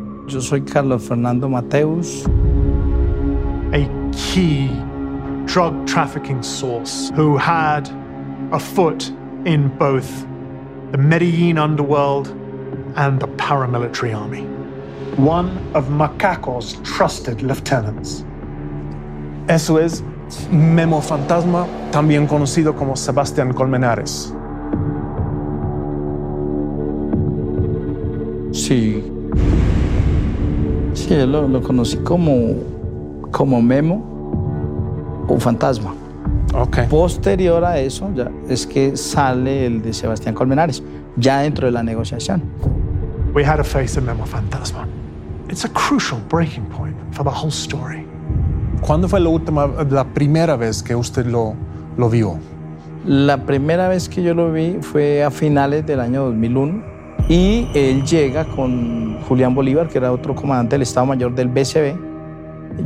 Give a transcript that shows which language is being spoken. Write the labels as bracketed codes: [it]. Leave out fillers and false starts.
[es] Yo soy Carlos Fernando Mateus. [en] A key drug trafficking source who had a foot in both the Medellin underworld and the paramilitary army. One of Macaco's trusted lieutenants. [es] Eso es Memo Fantasma, también conocido como Sebastián Colmenares. Sí. Sí, lo conocí como Memo o Fantasma. [en] Okay. [es] Posterior a eso, ya es que sale el de Sebastián Colmenares, ya dentro de la negociación. [en] We had a face of Memo Fantasma. It's a crucial breaking point for the whole story. [es] ¿Cuándo fue la primera vez que usted lo vio? La primera vez que yo lo vi fue a finales del año 2001 y él llega con Julián Bolívar, que era otro comandante del Estado Mayor del BCB.